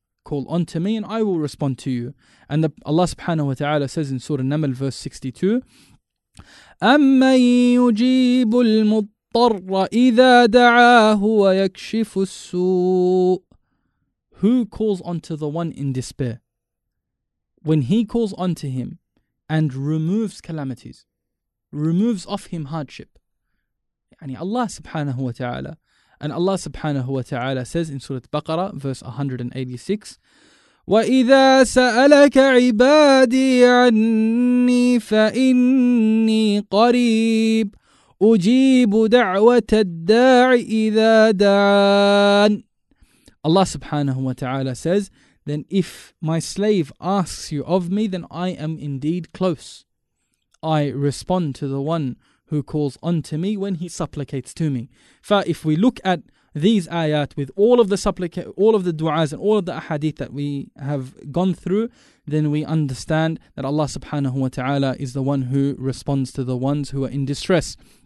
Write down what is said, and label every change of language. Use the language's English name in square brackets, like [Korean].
[English] Call unto me and I will respond to you." And Allah subhanahu wa ta'ala says in Surah Naml verse 62, [Arabic] أَمَّن يُجِيبُ الْمُضْطَرَّ إِذَا دَعَاهُ وَيَكْشِفُ السُّوءُ. [English] Who calls unto the one in despair when he calls unto him and removes calamities, removes off him hardship? Yani Allah subhanahu wa ta'ala. And Allah subhanahu wa ta'ala says in Surah Baqarah verse 186, [Arabic] وَإِذَا سَأَلَكَ عِبَادِي عَنِّي فَإِنِّي قَرِيبٌ أُجِيبُ دَعْوَةَ الدَّاعِ إِذَا دَعَانِ. [English] Allah subhanahu wa ta'ala says, then if my slave asks you of me, then I am indeed close. I respond to the one who calls unto me when he supplicates to me. For if we look at these ayat with all of the du'as and all of the ahadith that we have gone through, then we understand that Allah subhanahu wa ta'ala is the one who responds to the ones who are in distress.